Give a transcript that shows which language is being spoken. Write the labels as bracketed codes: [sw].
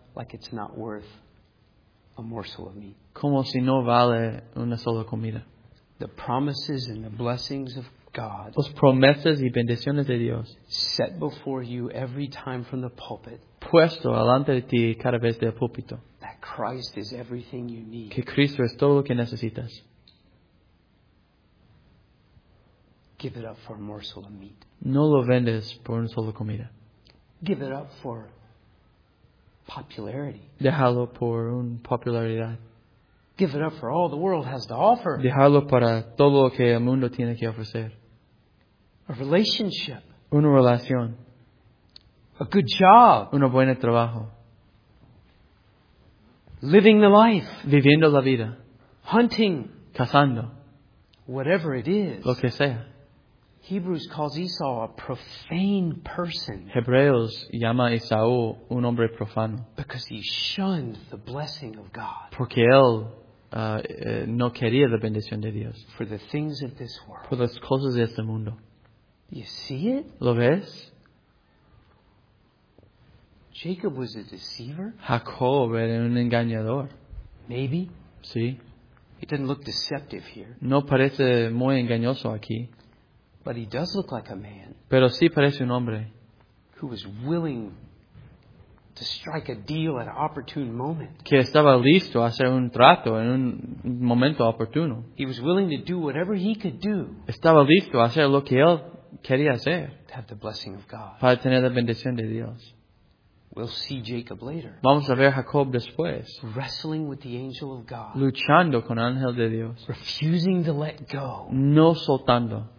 [en] Like it's not worth a morsel of meat. [es] Como si no vale una sola comida. [en] The promises and the blessings of God. [es] Las promesas y bendiciones de Dios. [en] Set before you every time from the pulpit. [es] Puesto delante de ti cada vez del púlpito. [en] That Christ is everything you need. [es] Que Cristo es todo lo que necesitas. [en] Give it up for a morsel of meat. [es] No lo vendes por una sola comida. [en] Give it up for popularity. [es] Déjalo por una popularidad. [en] Give it up for all the world has to offer. [es] Déjalo para todo lo que el mundo tiene que ofrecer. [en] A relationship. [es] Una relación. [en] A good job. [es] Uno buen trabajo. [en] Living the life. [es] Viviendo la vida. [en] Hunting. [es] Cazando. [en] Whatever it is. [es] Lo que sea. [en] Hebrews calls Esau a profane person. [es] Hebreos llama a Esaú un hombre profano. [en] Because he shunned the blessing of God. [es] Porque él no quería la bendición de Dios. [en] For the things of this world. [es] Por las cosas de este mundo. [en] You see it? [es] ¿Lo ves? [en] Jacob was a deceiver. [es] Jacob era un engañador. [en] Maybe. [es] Sí. [en] He didn't look deceptive here. [es] No parece muy engañoso aquí. [en] But he does look like a man. [es] Pero sí parece un hombre. [en] Who was willing to strike a deal at an opportune moment. [es] Que estaba listo a hacer un trato en un momento oportuno. [en] He was willing to do whatever he could do. [es] Estaba listo a hacer lo que él quería hacer. [en] To have the blessing of God. [es] Para tener la bendición de Dios. [en] We'll see Jacob later. [es] Vamos a ver Jacob después. [en] Wrestling with the angel of God. [es] Luchando con el ángel de Dios. [en] Refusing to let go. [es] No soltando.